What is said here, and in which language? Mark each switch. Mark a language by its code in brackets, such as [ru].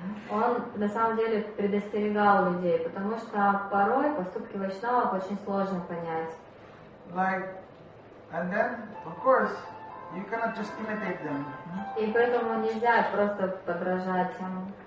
[ru] Он на самом деле предостерегал людей, потому что порой поступки Вайшнавов очень сложно понять. [en] Like, and then, of course, you cannot just imitate them. [ru] И поэтому нельзя просто подражать им.